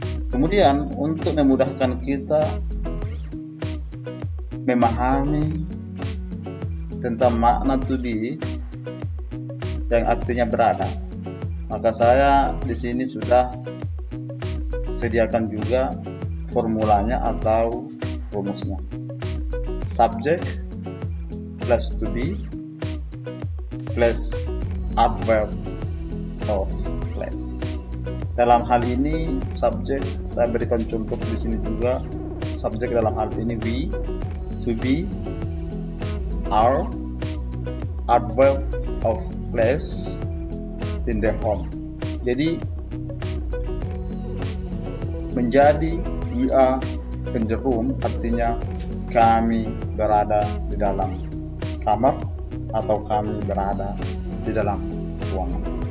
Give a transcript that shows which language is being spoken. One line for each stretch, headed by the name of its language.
Indonesian: Kemudian untuk memudahkan kita memahami tentang makna to be yang artinya berada, maka saya di sini sudah sediakan juga formulanya atau rumusnya.
English: Subject plus to be plus adverb of place.
Indonesian: Dalam hal ini subject, saya berikan contoh di sini juga.
English: Subject
Indonesian: dalam hal ini
English: we, to be, are, adverb of place, in the home.
Indonesian: Jadi menjadi
English: we are in the room
Indonesian: artinya kami berada di dalam kamar atau kami berada di dalam ruangan.